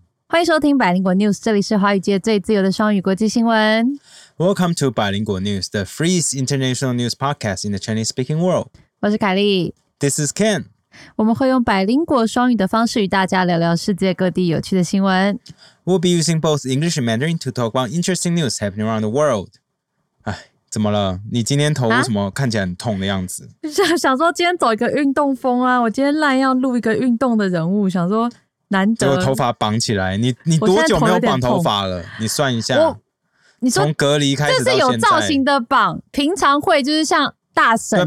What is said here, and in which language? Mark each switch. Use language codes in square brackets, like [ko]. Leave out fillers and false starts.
[zh] 欢迎收听百灵果 News， 这里是华语界最自由的双语国际新闻。 [en] Welcome to 百灵果 News， the freest international news podcast in the Chinese speaking world。 [zh] 我是凯莉 [en] ，This is Ken。 [zh] 我们会用百灵果双语的方式与大家聊聊世界各地有趣的新闻。 [en] We'll be using both English and Mandarin to talk about interesting news happening around the world。 [zh] 哎，怎么了？你今天头为什么看起来很痛的样子？想说今天走一个运动风啊，我今天赖要录一个运动的人物，想说。难得，结果头发绑起来，你多久没有绑头发了？你算一下，你说从隔离开始到现在，这是有造型的绑，平常会就是像大神